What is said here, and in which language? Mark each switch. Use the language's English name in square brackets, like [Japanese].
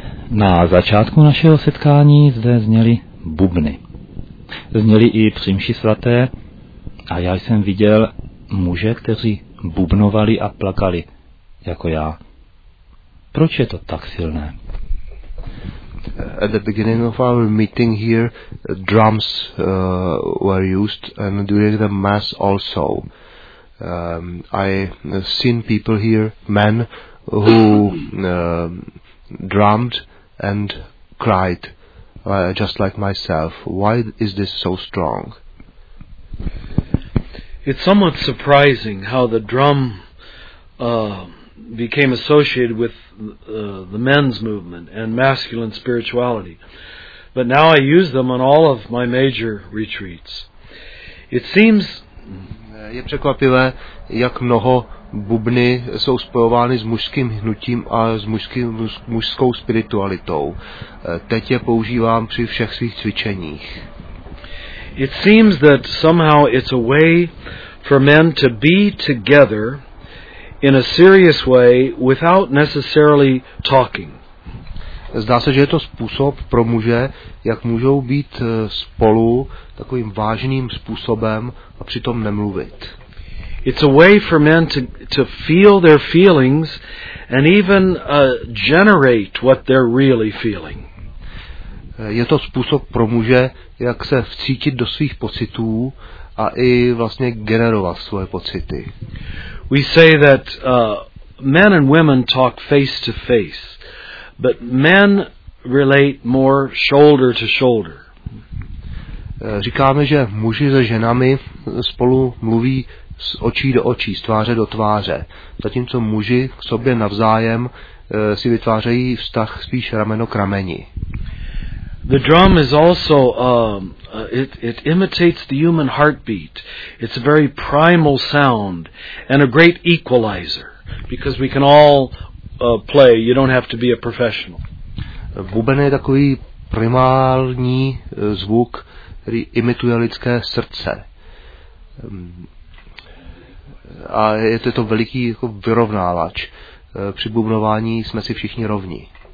[Czech] Na začátku našeho setkání zde zněly bubny. Zněly i při mši svaté a já jsem viděl muže, kteří bubnovali a plakali, jako já. Proč je to tak silné? [English] At the beginning of our meeting here, drums were used, and during the mass also. I seen people here, men, who drummed and cried, just like myself. Why is this so strong? It's somewhat surprising how the drum became associated with the men's movement and masculine spirituality. But now I use them on all of my major retreats. It seems... [Czech] Je překvapivé, jak mnoho bubny jsou spojovány s mužským hnutím a s mužskou spiritualitou. Teď je používám při všech svých cvičeních. [English] It seems that somehow it's a way for men to be together in a serious way without necessarily talking. [Czech] Zdá se, že je to způsob pro muže, jak můžou být spolu takovým vážným způsobem a přitom nemluvit. [English] It's a way for men to feel their feelings and even generate what they're really feeling. [Czech] Je to způsob pro muže, jak se vcítit do svých pocitů a i vlastně generovat svoje pocity. [English] We say that men and women talk face to face, but men relate more shoulder to shoulder. [Czech] Říkáme, že muži se ženami spolu mluví z očí do očí, z tváře do tváře, zatímco muži k sobě navzájem si vytvářejí vztah spíš rameno k rameni. [English] The drum is also it imitates the human heartbeat. It's a very primal sound and a great equalizer because we can all play. You don't have to be a professional. [Czech] Buben je takový primální zvuk, který imituje lidské srdce. A je to veliký jako vyrovnávač. Při bubnování jsme si všichni rovni.